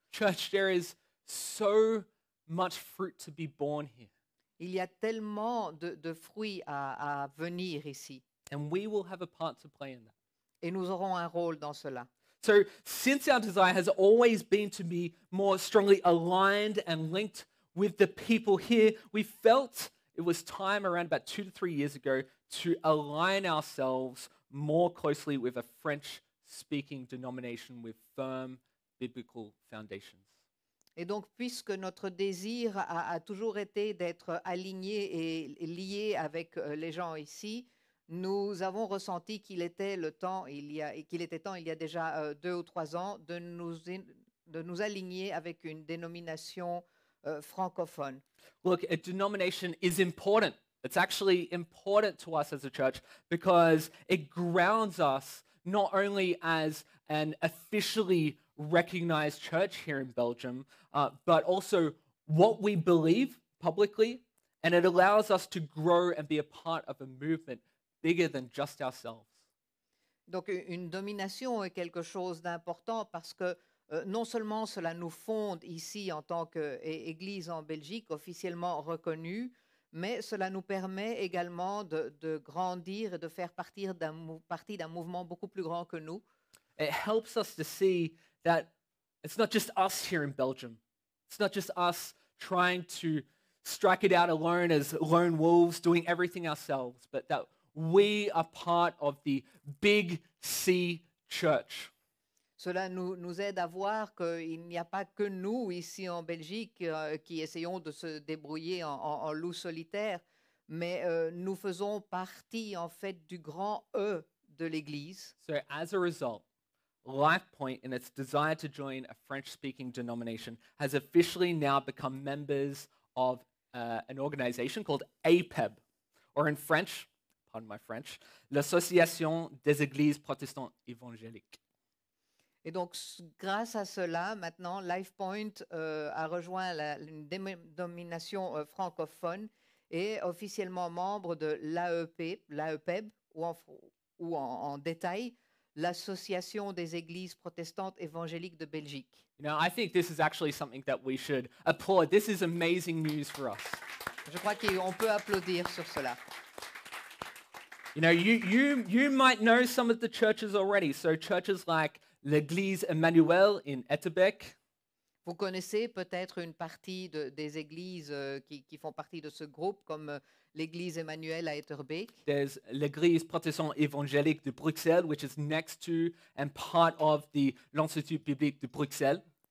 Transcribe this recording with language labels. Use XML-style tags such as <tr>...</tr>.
<en>Church, there is so much fruit to be born here.</en> <fr>Il y a tellement de fruits à venir ici.</fr> <en>And we will have a part to play in that.</en> <fr>Et nous aurons un rôle dans cela.</fr> <en>So, since our desire has always been to be more strongly aligned and linked with the people here, we felt it was time around about 2 to 3 years ago to align ourselves more closely with a French-speaking denomination with firm biblical foundations.</en> <fr>Et donc, puisque notre désir a toujours été d'être aligné et lié avec les gens ici, nous avons ressenti qu'il était temps, il y a déjà 2 ou 3 ans, de nous aligner avec une dénomination francophone.</fr> <en>Look, a denomination is important. It's actually important to us as a church because it grounds us not only as an officially recognized church here in Belgium, but also what we believe publicly, and it allows us to grow and be a part of a movement bigger than just ourselves.</en> <fr>Donc, une domination est quelque chose d'important parce que non seulement cela nous fonde ici en tant qu'église en Belgique, officiellement reconnue, mais cela nous permet également de grandir et de faire partie d'un mouvement beaucoup plus grand que nous.</fr> <en>It helps us to see that it's not just us here in Belgium. It's not just us trying to strike it out alone as lone wolves doing everything ourselves, but that we are part of the Big C Church.</en> <fr>Cela nous aide à voir qu'il n'y a pas que nous ici en Belgique qui essayons de se débrouiller en loup solitaire, mais nous faisons partie en fait du grand E de l'Église.</fr> <en>So as a result, LifePoint, in its desire to join a French-speaking denomination, has officially now become members of an organization called APEB, or in French, pardon my French, l'Association des Églises Protestantes Évangéliques.</en> <fr>Et donc, grâce à cela, maintenant, LifePoint a rejoint une dénomination francophone et est officiellement membre de l'AEPEB, ou en détail, l'Association des Églises Protestantes Évangéliques de Belgique.</fr> <en>You know, I think this is actually something that we should applaud. This is amazing news for us.</en> <fr>Je crois qu'on peut applaudir sur cela.</fr> <en>You know, you might know some of the churches already. So churches like l'église Emmanuel in Etterbeek.</en> <fr>Vous connaissez peut-être une partie des églises qui font partie de ce groupe, comme l'église Emmanuel à Etterbeek.</fr> <en>There's l'église protestante évangélique de Bruxelles, which is next to and part of the l'Institut biblique de Bruxelles.</en>